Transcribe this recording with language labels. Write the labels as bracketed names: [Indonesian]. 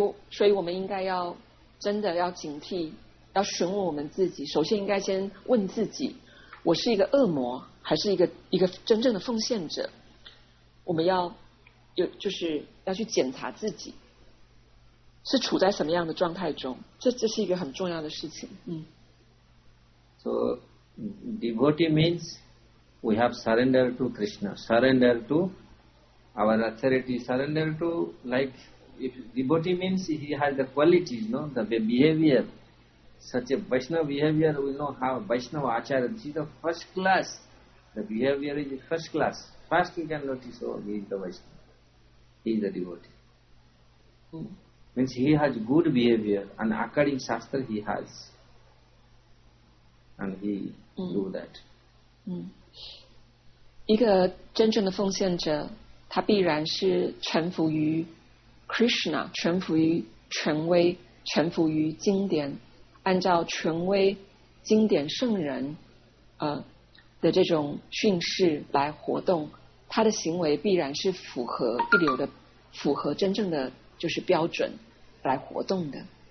[Chinese] 所以我们应该要真的要警惕，要询问我们自己，首先应该先问自己，我是一个恶魔还是一个真正的奉献者？我们要有，就是要去检查自己是处在什么样的状态中，这是一个很重要的事情。 [English] So devotee means we have surrender to Krishna, surrender to our authority, surrender to, like, if devotee means he has the qualities, no, the behavior, such a Vaishnava behavior, we know how Vaishnava acharya, this is the first class, the behavior is first class. First, you can notice, oh, he is the Vaishnava. He is the devotee. means he has good behavior and according shastra he has, and he do that. [Chinese] 一个真正的奉献者，他必然是臣服于 Krishna， 臣服于权威，臣服于经典，按照权威、经典、圣人，的这种训示来活动，他的行为必然是符合一流的，符合真正的就是标准来活动的。